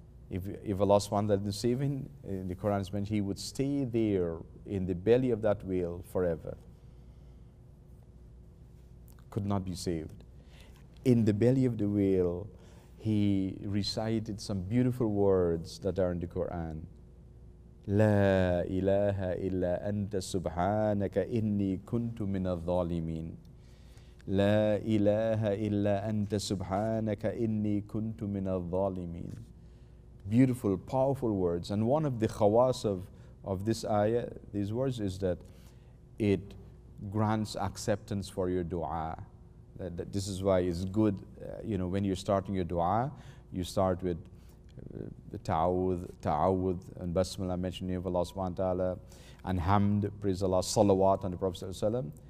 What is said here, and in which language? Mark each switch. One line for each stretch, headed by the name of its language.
English: If Allah subhanahu wa ta'ala didn't save him, in the Quran is mentioned, he would stay there in the belly of that whale forever. Could not be saved. In the belly of the whale, he recited some beautiful words that are in the Quran.
Arabic: لا إله إلا أنت سبحانك إني كنت من الظالمين. لا إله إلا أنت سبحانك إني كنت من الظالمين.
English: Beautiful, powerful words. And one of the khawas of this ayah, these words, is that it grants acceptance for your dua. That this is why it's good, you know, when you're starting your dua, you start with ta'awud and basmalah, mentioning the name of Allah subhanahu wa ta'ala, and hamd, praise Allah, salawat on the Prophet sallallahu alaihi wasallam.